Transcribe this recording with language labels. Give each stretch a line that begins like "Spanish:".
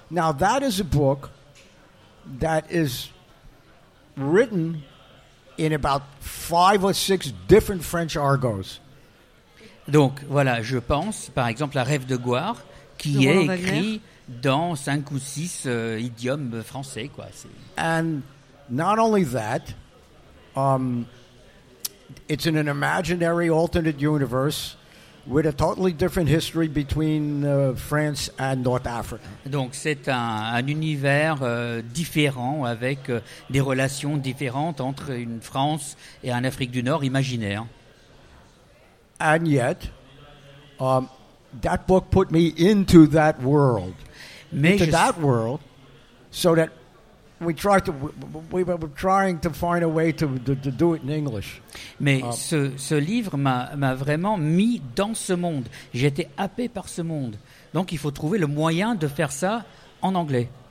English: Now that is a book that is written in about 5 or 6 different French argots.
French: Donc voilà, je pense par exemple à Rêve de gloire. Qui de est écrit dans 5 ou 6 idiomes français, quoi. C'est...
English: And not only that, it's in an imaginary alternate universe with a totally different history between France and North Africa.
French: Donc c'est un univers différent avec des relations différentes entre une France et un Afrique du Nord imaginaire.
English: And yet. That book put me into that world, so that we were trying to find a way to do it in English.
French: Mais ce livre m'a vraiment mis dans ce monde. J'étais happé par ce monde. Donc il faut trouver le moyen de faire ça en anglais.